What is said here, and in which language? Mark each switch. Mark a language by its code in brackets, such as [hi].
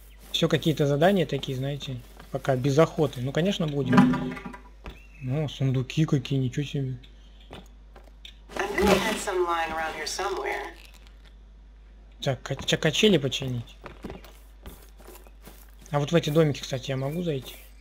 [ru] Все какие-то задания такие, знаете, пока без охоты. Ну, конечно, будем. Ну, сундуки какие, ничего себе. [en] I think I had some lying around here somewhere. [ru] Так, качели починить. А вот в эти домики, кстати, я могу зайти?